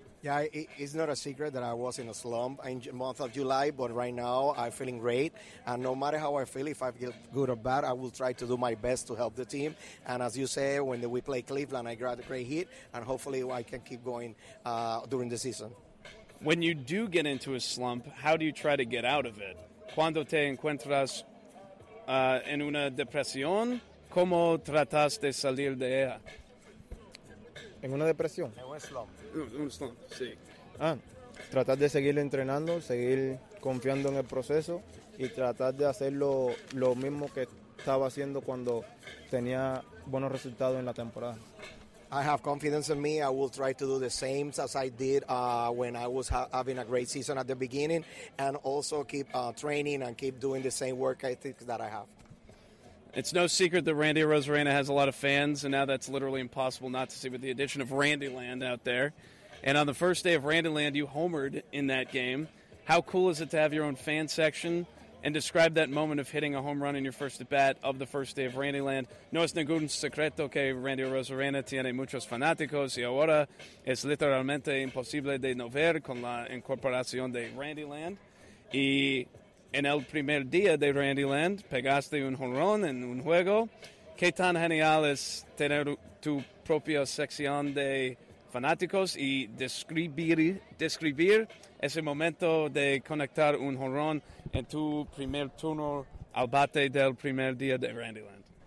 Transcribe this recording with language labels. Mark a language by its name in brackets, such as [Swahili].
[English] Yeah, it's not a secret that I was in a slump in the month of July, but right now I'm feeling great. And no matter how I feel, if I feel good or bad, I will try to do my best to help the team. And as you say, when we play Cleveland, I got a great hit, and hopefully I can keep going during the season. When you do get into a slump, how do you try to get out of it? [Spanish] Cuando te encuentras en una depresión, ¿cómo tratas de salir de ella? ¿En una depresión? Un slump, sí. Tratar de seguir entrenando, seguir confiando en el proceso y tratar de hacer lo mismo que estaba haciendo cuando tenía buenos resultados en la temporada. [English] I have confidence in me. I will try to do the same as I did when I was having a great season at the beginning and also keep training and keep doing the same work ethic that I have. It's no secret that Randy Arozarena has a lot of fans, and now that's literally impossible not to see with the addition of Randyland out there. And on the first day of Randyland, you homered in that game. How cool is it to have your own fan section? And describe that moment of hitting a home run in your first at-bat of the first day of Randyland. [Spanish] No es ningún secreto que Randy Arozarena tiene muchos fanáticos, y ahora es literalmente imposible de no ver con la incorporación de Randyland. Y en el primer día de Randyland, pegaste un jonrón en un juego. ¿Qué tan genial es tener tu propia sección de fanáticos y describir ese momento de conectar un jonrón en tu primer turno al bate del primer día de Randyland?